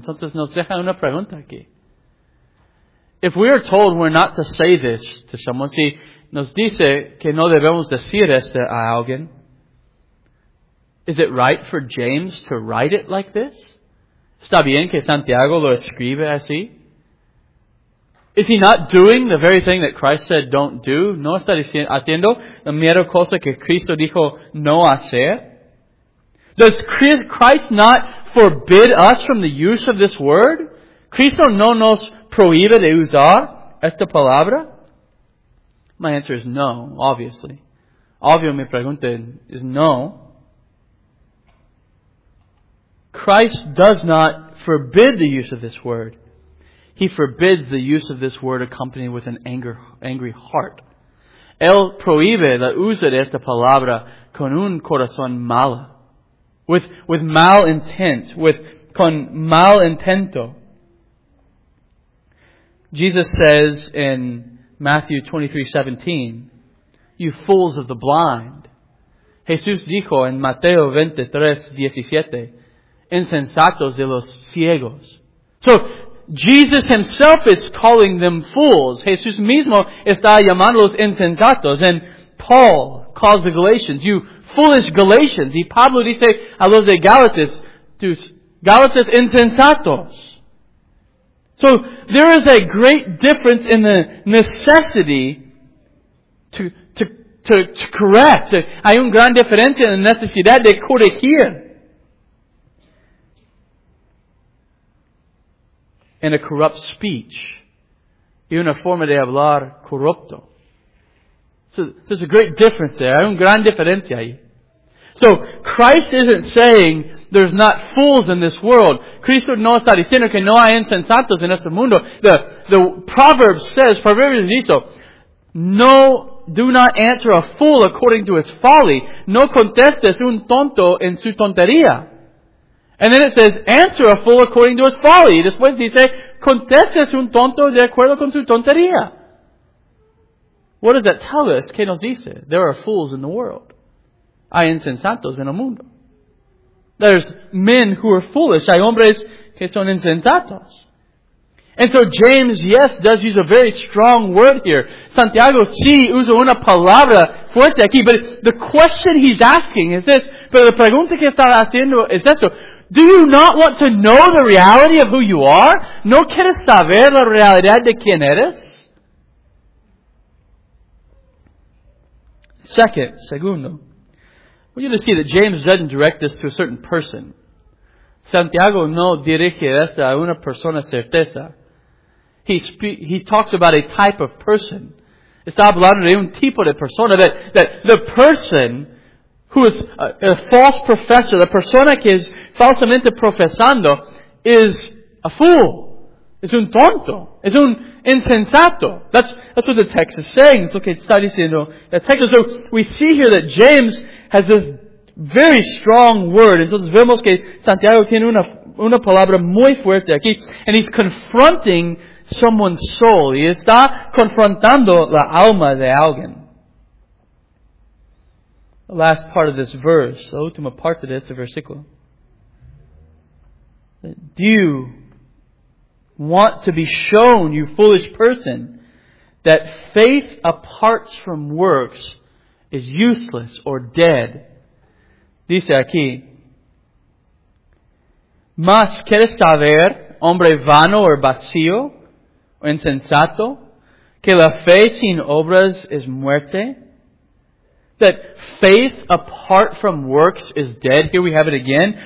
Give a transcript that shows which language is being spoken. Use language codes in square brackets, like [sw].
[es] Entonces nos deja una pregunta aquí. [en] If we are told we're not to say this to someone, [es] si nos dice que no debemos decir esto a alguien, [en] is it right for James to write it like this? [es] ¿Está bien que Santiago lo escribe así? [en] Is he not doing the very thing that Christ said don't do? [es] ¿No está haciendo la mera cosa que Cristo dijo no hacer? [en] Does Christ not forbid us from the use of this word? [es] ¿Cristo no nos prohíbe de usar esta palabra? [en] My answer is no, obviously. [es] Obvio, mi pregunta [en] is no. Christ does not forbid the use of this word. He forbids the use of this word accompanied with an angry heart. [es] Él prohíbe la uso de esta palabra con un corazón malo. [en] With mal intent, [es] con mal intento. [en] Jesus says in Matthew 23:17, you fools of the blind. [es] Jesús dijo en Mateo 23:17, insensatos de los ciegos. [en] So, Jesus himself is calling them fools. [es] Jesús mismo está llamándolos insensatos. [en] And Paul calls the Galatians, you foolish Galatians. [es] Y Pablo dice a los de Galatas, tus Galatas insensatos. [en] So there is a great difference in the necessity to correct. [es] Hay un gran diferencia en la necesidad de corregir. [en] In a corrupt speech. [es] Y una forma de hablar corrupto. [en] So there's a great difference there. [es] Hay un gran diferencia ahí. [en] So, Christ isn't saying there's not fools in this world. [es] Cristo no está diciendo que no hay insensatos en este mundo. [en] The proverb says, [es] Proverbios dice, [en] no, do not answer a fool according to his folly. [es] No contestes un tonto en su tontería. [en] And then it says, answer a fool according to his folly. [es] Después dice, contestes un tonto de acuerdo con su tontería. [en] What does that tell us? [es] ¿Qué nos dice? [en] There are fools in the world. [es] Hay insensatos en el mundo. [en] There's men who are foolish. [es] Hay hombres que son insensatos. [en] And so James, yes, does use a very strong word here. [es] Santiago sí usa una palabra fuerte aquí. [en] But the question he's asking is this. [es] Pero la pregunta que está haciendo es esto. [en] Do you not want to know the reality of who you are? [es] ¿No quieres saber la realidad de quién eres? Segundo. [en] I want you to see that James doesn't direct this to a certain person. [es] Santiago no dirige esto a una persona certeza. [en] He talks about a type of person. [es] Está hablando de un tipo de persona. [en] That the person who is a false professor, the [es] persona que es falsamente profesando, [en] is a fool. [es] Es un tonto. Es un insensato. [en] That's what the text is saying. [es] Es lo que está diciendo el texto. [en] So we see here that James has this very strong word. [es] Entonces vemos que Santiago tiene una palabra muy fuerte aquí. [en] And he's confronting someone's soul. [es] Y está confrontando la alma de alguien. [en] The last part of this verse, the [es] última parte de este versículo. [en] Do you want to be shown, you foolish person, that faith apart from works is useless or dead? [es] Dice aquí, ¿Más quieres saber, hombre vano o vacío, o insensato, que la fe sin obras es muerte? [en] That faith apart from works is dead. Here we have it again.